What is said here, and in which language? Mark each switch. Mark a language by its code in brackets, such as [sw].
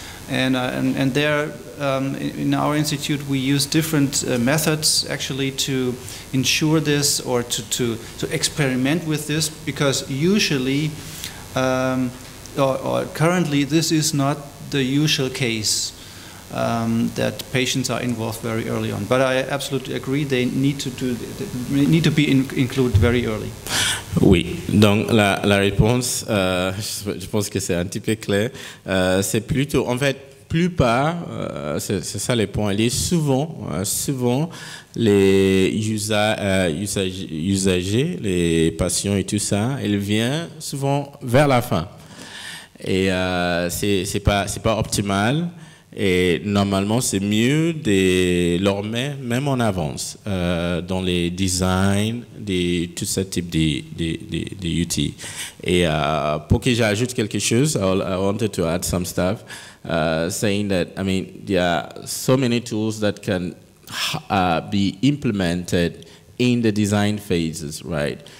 [en] And there, in our institute, we use different methods actually to ensure this or to experiment with this, because usually, or currently, this is not the usual case that patients are involved very early on. But I absolutely agree; they need to be included very early. [fr] Oui, donc la réponse, je pense que c'est un petit peu clair. C'est plutôt, en fait, plus pas, c'est ça le point. Il est souvent, souvent les usagers, les patients et tout ça, ils viennent souvent vers la fin. Et c'est pas optimal. Et normalement, c'est mieux de leur mettre même en avance dans les designs de tout ce type d'outils. Et pour que j'ajoute quelque chose, [en] I wanted to add some stuff. Saying that, I mean, there are so many tools that can be implemented in the design phases, right?